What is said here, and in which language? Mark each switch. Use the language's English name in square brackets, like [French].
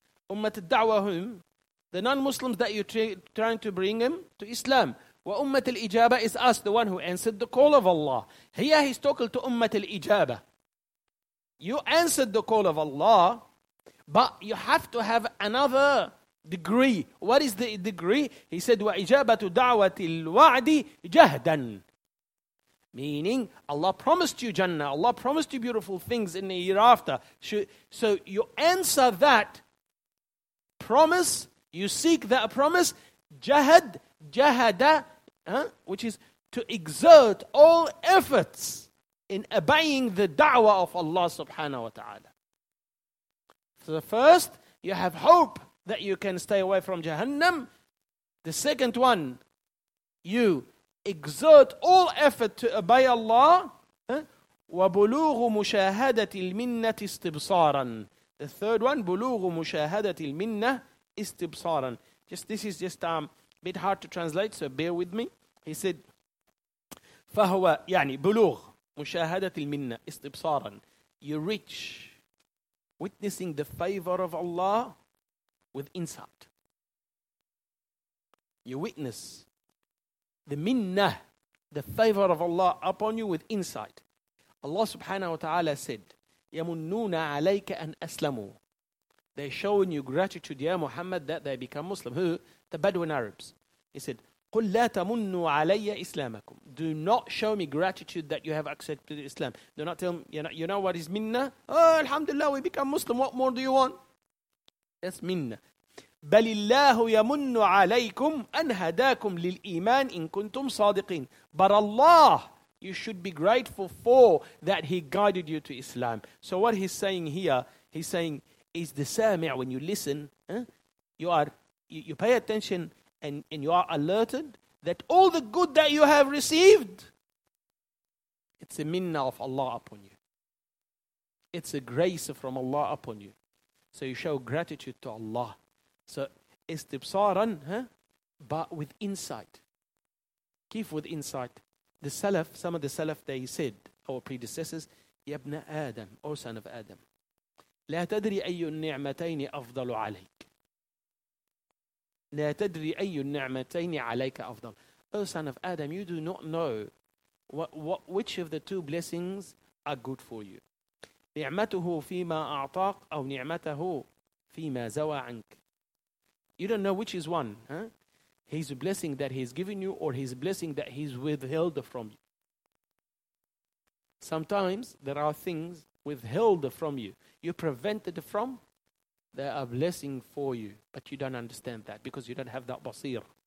[English] Ummat al-da'wah whom? The non-Muslims that you're trying to bring him to Islam. Wa Ummat al-ijaba is us, the one who answered the call of Allah. Here he's talking to Ummat al-ijaba. You answered the call of Allah, but you have to have another degree. What is the degree? He said, [Arabic] وَإِجَابَةُ دَعْوَةِ الْوَعْدِ جَهْدًا. [English] Meaning, Allah promised you Jannah. Allah promised you beautiful things in the hereafter. So you answer that promise. You seek that promise. Jahad, jahada, which is to exert all efforts in obeying the da'wah of Allah subhanahu wa ta'ala. So the first, you have hope that you can stay away from Jahannam. The second one, you exert all effort to obey Allah. [Arabic] وَبُلُوغُ مُشَاهَدَةِ الْمِنَّةِ اسْتِبْصَارًا. [English] The third one, [Arabic] بُلُوغُ مُشَاهَدَةِ الْمِنَّةِ اسْتِبْصَارًا. [English] This is just a bit hard to translate, so bear with me. He said, [Arabic] فَهُوَ يعني بُلُوغ مشاهدة المنة استبصارا. [English] You reach witnessing the favor of Allah with insight. You witness the minna, the favor of Allah upon you with insight. [Arabic] Allah subhanahu wa ta'ala said, يَمُنُّونَ عَلَيْكَ أَنْ أَسْلَمُوا. [English] They're showing you gratitude, Ya Muhammad, that they become Muslim. Who? The Bedouin Arabs. He said, [Arabic] قُلْ لَا تَمُنُّوا عَلَيَّ إِسْلَامَكُمْ. [English] Do not show me gratitude that you have accepted Islam. Do not tell me, you know what is minnah? Oh, alhamdulillah, we become Muslim. What more do you want? That's minnah. [Arabic] بَلِ اللَّهُ يَمُنُّ عَلَيْكُمْ أَنْ هَدَاكُمْ لِلْإِيمَانِ إِن كُنْتُمْ صَادِقِينَ. [English] But Allah, you should be grateful for that He guided you to Islam. So what He's saying here, He's saying, is the sami' when you listen, you pay attention, And you are alerted that all the good that you have received, it's a minnah of Allah upon you. It's a grace from Allah upon you. So you show gratitude to Allah. So istibsaran, but with insight. Keep with insight. The Salaf, some of the Salaf, they said, our predecessors, Yabna Adam, O son of Adam, [Arabic] لا تدري أي النعمتين أفضل عليك. لا تدري أي النعمتين عليك أفضل. [English] O son of Adam, you do not know which of the two blessings are good for you. [Arabic] نعمته فيما أعطاك أو نعمته فيما زوى عنك. [English] You don't know which is one. His blessing that he's given you or his blessing that he's withheld from you. Sometimes there are things withheld from you. You're prevented from, they are a blessing for you. But you don't understand that because you don't have that basir.